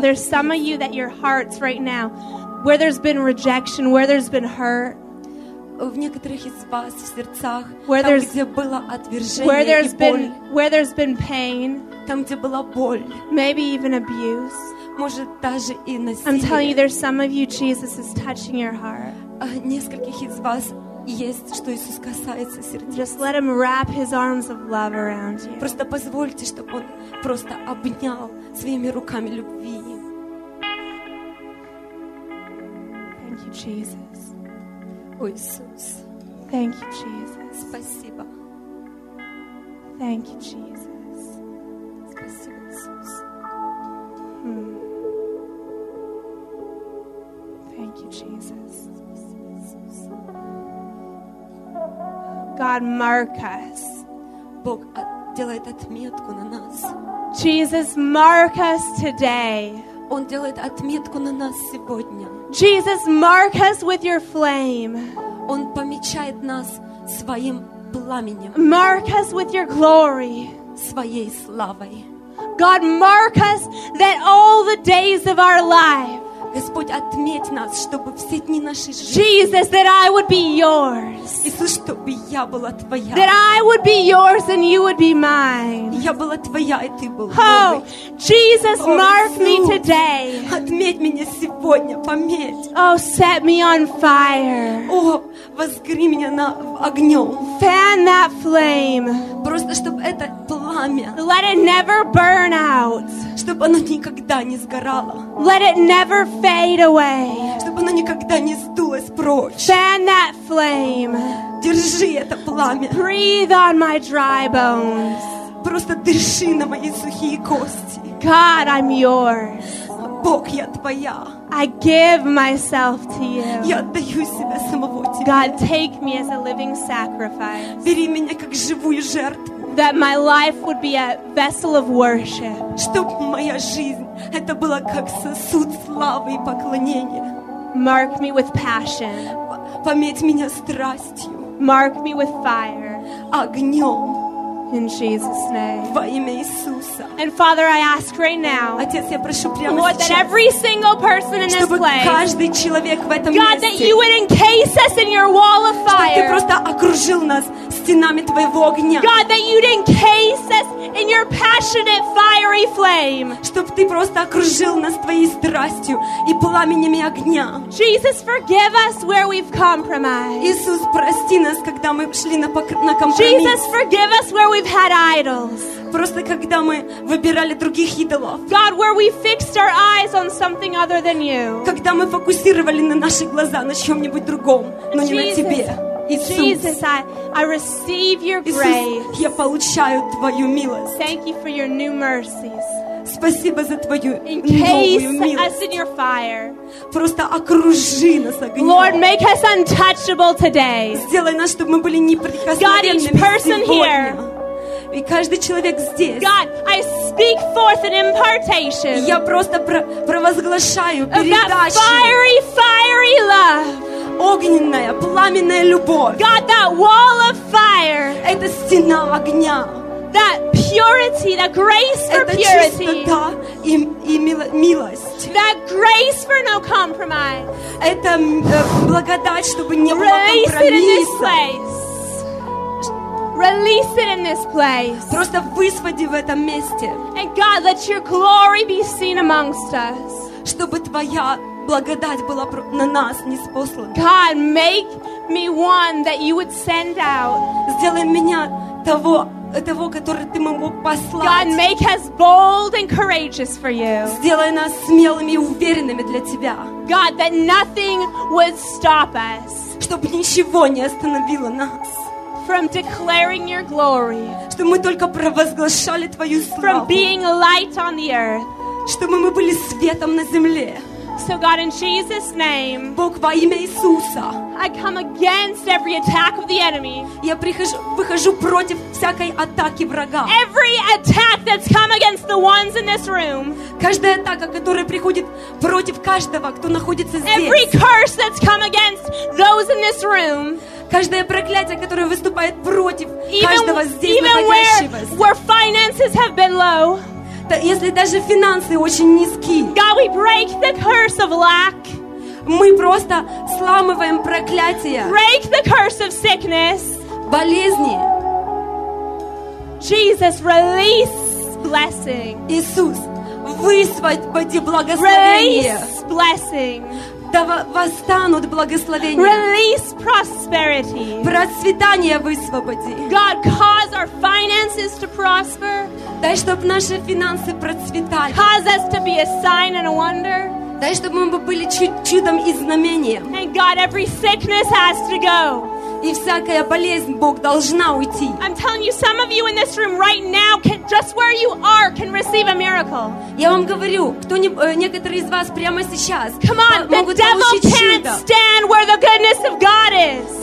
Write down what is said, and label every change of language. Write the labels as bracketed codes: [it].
[en] There's some of you that your hearts right now, where there's been rejection, where there's been hurt. [ru] В некоторых из вас в сердцах. [en] Where there's [ru] было отвержение и боль. [en] Where there's been pain. [ru] Там где была боль. [en] Maybe even abuse. [ru] Может даже и насилие. [en] I'm telling you, there's some of you Jesus is touching your heart. [ru] Нескольких из вас. Есть, что Иисус касается сердца. [en] Just let him wrap his arms of love around you. [ru] Просто позвольте, чтобы он просто обнял своими руками любви. [en] Thank you, Jesus. [ru] О, Иисус. [en] Thank you, Jesus. [ru] Спасибо. [en] Thank you, Jesus. [ru] Спасибо, Иисус. [en] Thank you, Jesus. God, mark us. [ru] Бог делает отметку на нас. [en] Jesus, mark us today. [ru] Он делает отметку на нас сегодня. [en] Jesus, mark us with your flame. [ru] Он помечает нас своим пламенем. [en] Mark us with your glory. [ru] Своей славой. [en] God, mark us that all the days of our life. [ru] Господь, отметь нас, чтобы все дни нашей жизни. [en] Jesus, that I would be yours. [ru] Иисус, чтобы я была твоя. [en] That I would be yours and you would be mine. [ru] Я была твоя, и ты был мой. [en] Oh, Jesus, mark me today. [ru] Отметь меня сегодня, пометь. [en] Oh, set me on fire. [ru] О, возгори меня на огнём. [en] Fan that flame. [ru] Просто чтобы это пламя. [en] Let it never burn out. [ru] Чтобы оно никогда не сгорало. [en] Let it never fade away. [ru] Чтобы оно никогда не сдулось прочь. [en] Fan that flame. [ru] Держи это пламя. [en] Breathe on my dry bones. [ru] Просто дыши на мои сухие кости. [en] God, I'm yours. [ru] Бог, я твоя. [en] I give myself to you. [ru] Я отдаю себя самого тебе. [en] God, take me as a living sacrifice. [ru] Бери меня как живую жертву. [en] That my life would be a vessel of worship. [ru] Чтоб моя жизнь это была как сосуд славы и поклонения. [en] Mark me with passion. [ru] Пометь меня страстью. [en] Mark me with fire. [ru] Огнем. [en] In Jesus' name. [ru] Во имя Иисуса. [en] And Father, I ask right now. [ru] Отец, я прошу прямо сейчас. [en] Lord, that every single person in this place. [ru] Чтобы каждый человек в этом месте. [en] God, that you would encase us in your wall of fire. [ru] Чтобы ты просто окружил нас стенами твоего огня. [en] God, that you'd encase us in your passionate fiery flame. [ru] Чтобы ты просто окружил нас твоей страстью и пламенями огня. [en] Jesus, forgive us where we've compromised. [ru] Иисус, прости нас, когда мы шли на компромисс. [en] Jesus, forgive us where we've had idols. [ru] Просто когда мы выбирали других идолов. [en] God, where we fixed our eyes on something other than you. [ru] Когда мы фокусировали на наши глаза на чем-нибудь другом, но не на тебе. [en] Jesus, I receive your grace. [ru] Я получаю твою милость. [en] Thank you for your new mercies. [ru] Спасибо за твою новую милость. [en] Encase us in your fire. [ru] Просто окружи нас огнем. [en] Lord, make us untouchable today. [ru] Сделай нас, чтобы мы были неприкосновенными. [en] God, each person here. [ru] И каждый человек здесь. [en] God, I speak forth an impartation. [ru] Я просто провозглашаю передачу. [en] Of that fiery, fiery love. [ru] Огненная, пламенная любовь. [en] God, that wall of fire. [ru] Это стена огня. [en] That purity, that grace for purity. [ru] Это чистота и милость. [en] That grace for no compromise. [ru] Это благодать, чтобы не было компромисса. [en] Release it in this place. [ru] Просто высвободи в этом месте. [en] And God, let your glory be seen amongst us. [ru] Чтобы твоя благодать была на нас ниспослана. [en] God, make me one that you would send out. [ru] Сделай меня того, который ты мог послать. [en] God, make us bold and courageous for you. [ru] Сделай нас смелыми и уверенными для тебя. [en] God, that nothing would stop us. [ru] Чтобы ничего не остановило нас. [en] From declaring your glory. [ru] Чтобы мы только провозглашали твою славу. [en] From being light on the earth. [ru] Чтобы мы были светом на земле. [en] So God, in Jesus' name, [ru] Бог, во имя Иисуса, [en] I come against every attack of the enemy. [ru] Я выхожу против всякой атаки врага. [en] Every attack that's come against the ones in this room. [ru] Каждая атака, которая приходит против каждого, кто находится здесь. [en] Every curse that's come against those in this room. [ru] Каждое проклятие, которое выступает против каждого здесь находящегося. [en] Where finances have been low. [ru] Если даже финансы очень низки. [en] God, we break the curse of lack. [ru] Мы просто сломываем проклятие. [en] Break the curse of sickness. [ru] Болезни. [en] Jesus, release blessing. [ru] Иисус, высвободи благословение. [en] Release blessing. [ru] Да восстанут благословения. [en] Release prosperity. [ru] Процветание высвободи. [en] God, cause our finances to prosper. [ru] Дай, чтобы наши финансы процветали. [en] Cause us to be a sign and a wonder. [ru] Дай, чтобы мы были чудом и знамением. [en] And God, every sickness has to go. [ru] И всякая болезнь, Бог, должна уйти. [en] I'm telling you, some of you in this room right now, can, just where you are, can receive a miracle. [ru] Я вам говорю, кто не, некоторые из вас прямо сейчас могут получить чудо. [en] Come on, the devil can't stand where the goodness of God is.